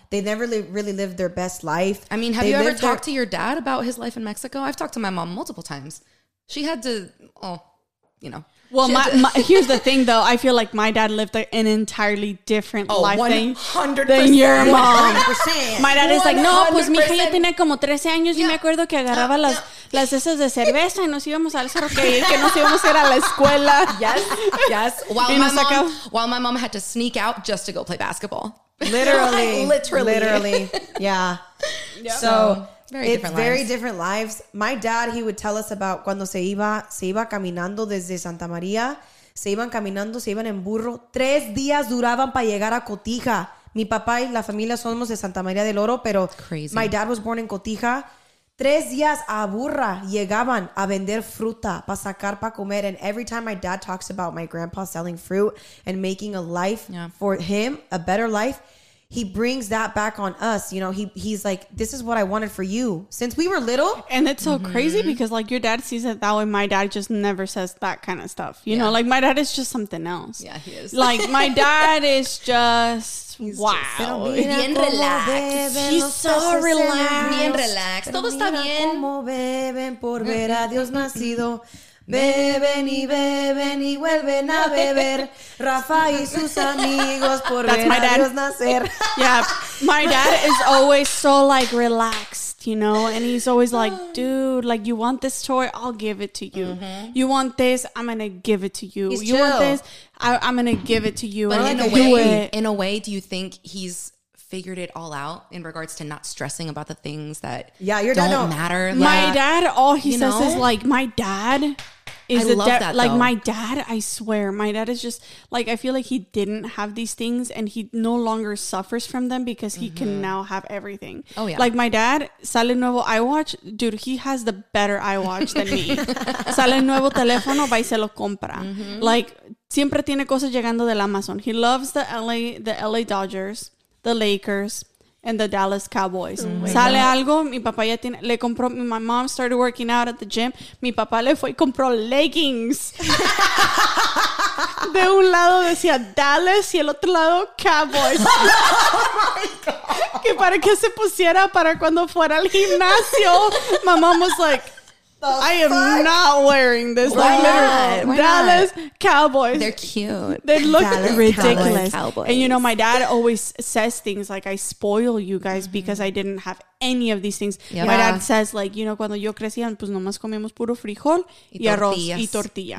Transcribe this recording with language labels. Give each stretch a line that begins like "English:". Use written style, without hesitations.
English: They never really lived their best life. I mean, have you ever talked to your dad about his life in Mexico? I've talked to my mom multiple times. She had to, Well, my here's the thing, though. I feel like my dad lived an entirely different life 100% than your mom. 100%. My dad is like,
Spanish: no, pues mi hija ya tenía como 13 años y me acuerdo que agarraba las esas de cerveza y nos íbamos al cerro que nos íbamos a ir a la escuela.
English: Yes. While my mom had to sneak out just to go play basketball. Literally. Literally. Yeah. Yep. So Very different lives. My dad, he would tell us about
Spanish: cuando se iba caminando desde Santa María. Se iban en burro. 3 días duraban para llegar a Cotija. Mi papá y la familia somos de Santa María del Oro, pero
English: crazy. My dad was born in Cotija.
Spanish: 3 días a burra llegaban a vender fruta para sacar para comer.
English: And every time my dad talks about my grandpa selling fruit and making a life for him, a better life, he brings that back on us. You know, he's like, this is what I wanted for you since we were little. And it's so crazy because like your dad sees it that way. My dad just never says that kind of stuff. You know, like my dad is just something else. Yeah, he is. Like my dad is just, wow.
Spanish: Bien relaxed.
English: He's so relaxed.
Spanish: Bien relaxed. Todo está bien. Como beben por ver a Dios nacido. Beben y vuelven a beber. Rafa y sus amigos por ver a Dios nacer.
English: Yeah, my dad is always so like relaxed, you know, and he's always like, dude, like you want this toy, I'll give it to you. Mm-hmm. You want this, I'm gonna give it to you. He's you chill. Want this, I'm gonna give it to you. But in a way, do you think he's figured it all out in regards to not stressing about the things that don't matter. Like, my dad, all he says is like, my dad is my dad, I swear, my dad is just like, I feel like he didn't have these things and he no longer suffers from them because he can now have everything. Oh yeah. Like my dad,
Spanish: Sale Nuevo iWatch,
English: dude, he has the better iWatch than me.
Spanish: Sale Nuevo Teléfono, va y se lo compra. Like, siempre tiene cosas llegando del Amazon.
English: He loves the LA Dodgers, the Lakers, and the Dallas Cowboys.
Spanish: Oh, sale God. Algo, mi papá ya tiene, le compró,
English: my mom started working out at the gym,
Spanish: mi papá le fue y compró leggings. De un lado decía Dallas y el otro lado Cowboys.
English: Oh, my God.
Spanish: Que para que se pusiera para cuando fuera al gimnasio.
English: My mom was like, I am not wearing this. Why not? Dallas Cowboys. They're cute. They look Dallas ridiculous. Cowboys. And you know, my dad always says things like, I spoil you guys because I didn't have any of these things. Yep. My dad says like, you know,
Spanish: cuando yo crecía, pues nomás comíamos puro frijol y arroz y tortilla.